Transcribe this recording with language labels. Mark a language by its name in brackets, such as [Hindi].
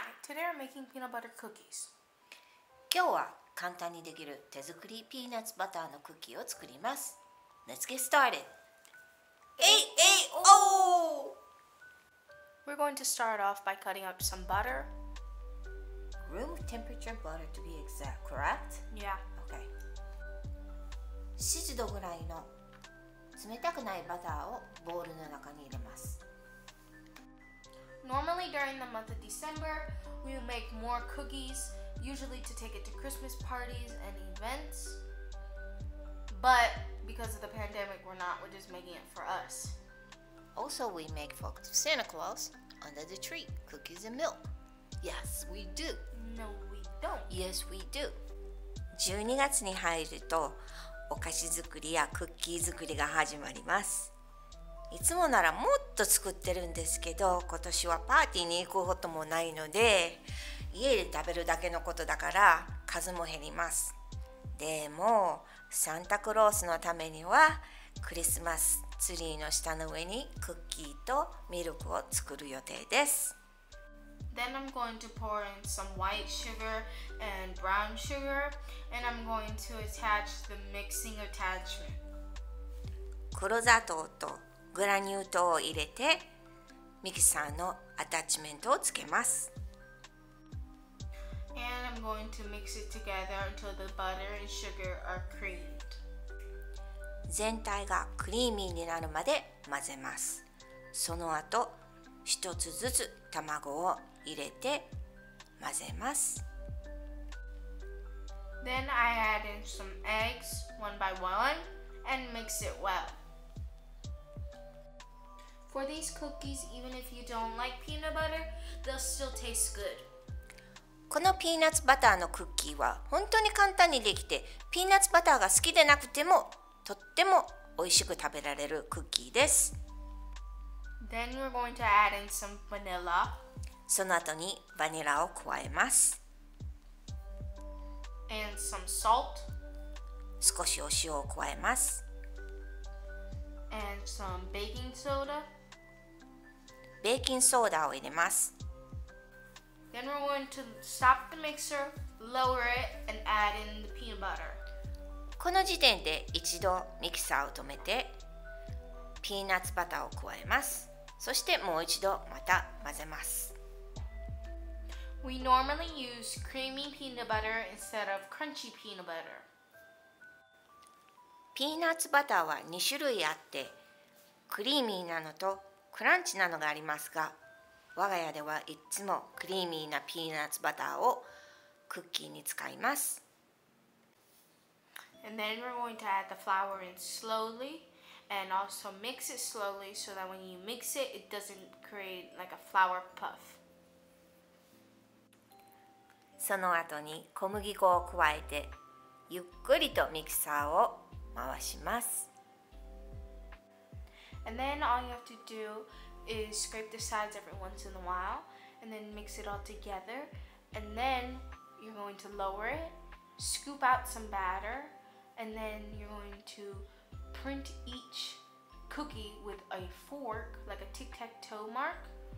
[English] Today I'm making peanut butter cookies. [Japanese] 今日は簡単にできる手作りピーナッツバターのクッキーを作ります。 [English] Let's get started! A-A-O! We're going to start off by cutting up some butter. Room temperature butter to be exact, correct? Yeah. Okay. [Japanese] 80度ぐらいの冷たくないバターをボウルの中に入れます。 [English] Normally during the month of December, we make more cookies, usually to take it to Christmas parties and events. But because of the pandemic, we're not. We're just making it for us. Also, we make for Santa Claus under the tree, cookies and milk. Yes, we do. No, we don't. Yes, we do. [Japanese] 12月に入るとお菓子作りやクッキー作りが始まります。いつもならもっと作ってるんですけど、今年はパーティーに行くこともないので、家で食べるだけのことだから数も減ります。でも、サンタクロースのためにはクリスマスツリーの下の上にクッキーとミルクを作る予定です。 [English] Then I'm going to pour in some white sugar and brown sugar, and I'm going to attach the mixing attachment. [Japanese] 黒砂糖とグラニュー糖を入れてミキサーのアタッチメントをつけます。 [English] And I'm going to mix it together until the butter and sugar are creamed. [Japanese] 全体がクリーミーになるまで混ぜます。その後、一つずつ卵を入れて混ぜます。 [English] Then I add in some eggs one by one and mix it well. For these cookies, even if you don't like peanut butter, they'll still taste good. [Japanese] このピーナッツバターのクッキーは本当に簡単にできて、ピーナッツバターが好きでなくてもとっても美味しく食べられるクッキーです。 [English] Then we're going to add in some vanilla. [Japanese] その後にバニラを加えます。 [English] And some salt. [Japanese] 少しお塩を加えます。 [English] And some baking soda. [Japanese] ベーキングソーダを入れます。 [English] Then we're going to stop the mixer, lower it, and add in the peanut butter. [Japanese] この時点で一度ミキサーを止めて、ピーナッツバターを加えます。そしてもう一度また混ぜます。 [English] We normally use creamy peanut butter instead of crunchy peanut butter. [Japanese] ピーナッツバターは2種類あって、クリーミーなのとクランチなのがありますが、我が家ではいつもクリーミーなピーナッツバターをクッキーに使います。 [English] And then we're going to add the flour in slowly and also mix it slowly so that when you mix it, it doesn't create like a flour puff. [Japanese] その後に小麦粉を加えて、ゆっくりとミキサーを回します。 [English] And then all you have to do is scrape the sides every once in a while and then mix it all together. And then you're going to lower it, scoop out some batter, and then you're going to print each cookie with a fork, like a tic-tac-toe mark.